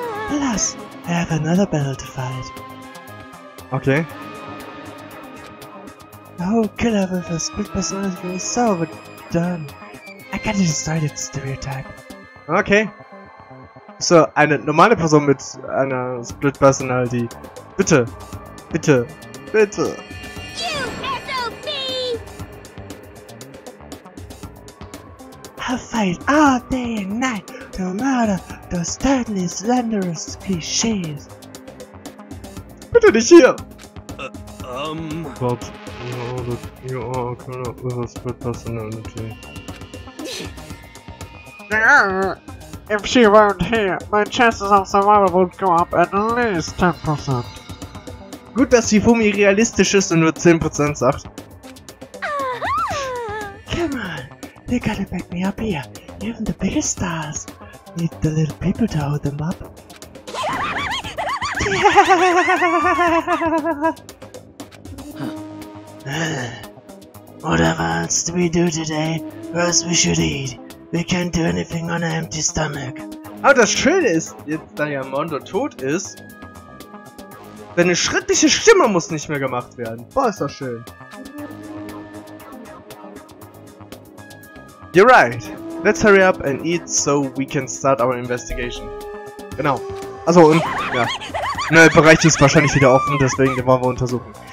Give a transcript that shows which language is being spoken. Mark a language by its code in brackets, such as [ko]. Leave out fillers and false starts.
[en] Plus, I have another battle to fight. Okay. The whole killer with a split personality is so overdone. I gotta destroy that stereotype. Okay. [de] So, eine normale Person mit einer Split Personality. Bitte. Bitte. Bitte. [en] You SOB! I'll fight all day and night to murder those deadly slenderous clichés. [de] Bitte nicht hier! [en] But you are a killer with a Split Personality. If she weren't here, my chances of survival would go up at least 10%. [de] Gut, dass die Fumi realistisch ist und nur 10% sagt. [en] Come on, they gotta back me up here. Even the biggest stars need the little people to hold them up. What else do we do today? What else we should eat? We can't do anything on an empty stomach. [de] Aber das Schöne ist, jetzt da ja Mondo tot ist, deine schreckliche Stimme muss nicht mehr gemacht werden. Boah, ist das schön. [en] You're right. Let's hurry up and eat so we can start our investigation. [de] Genau. Also, und, ja. Der Bereich ist wahrscheinlich wieder offen, deswegen wollen wir untersuchen.